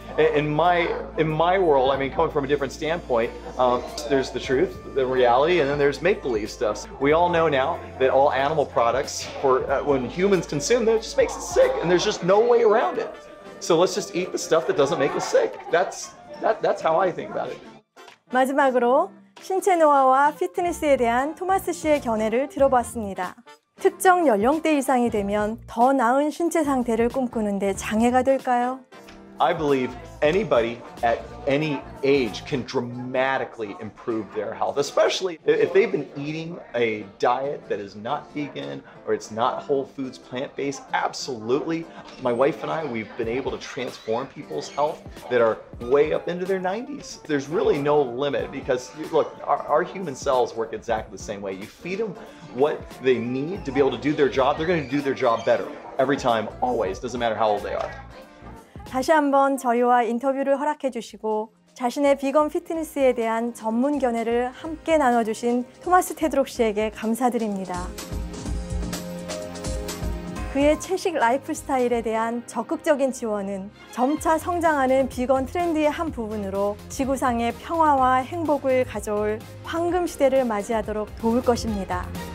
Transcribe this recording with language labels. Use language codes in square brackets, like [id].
[en] In my world, I mean, coming from a different standpoint, there's the truth, the reality, and then there's make-believe stuff. So we all know now that all animal products, when humans consume them, it just makes us sick, and there's just no way around it. So let's just eat the stuff that doesn't make us sick. That's how I think about it. [ko] 마지막으로 신체 노화와 피트니스에 대한 토마스 씨의 견해를 들어봤습니다. 특정 연령대 이상이 되면 더 나은 신체 상태를 꿈꾸는데 장애가 될까요? [en] I believe anybody at any age can dramatically improve their health, especially if they've been eating a diet that is not vegan or it's not whole foods, plant-based. Absolutely. My wife and I, we've been able to transform people's health that are way up into their 90s. There's really no limit because, look, our human cells work exactly the same way. You feed them what they need to be able to do their job, they're going to do their job better every time, always, doesn't matter how old they are. [ko] 다시 한번 저희와 인터뷰를 허락해 주시고 자신의 비건 피트니스에 대한 전문 견해를 함께 나눠주신 토마스 테드록 씨에게 감사드립니다. 그의 채식 라이프 스타일에 대한 적극적인 지원은 점차 성장하는 비건 트렌드의 한 부분으로 지구상의 평화와 행복을 가져올 황금 시대를 맞이하도록 도울 것입니다.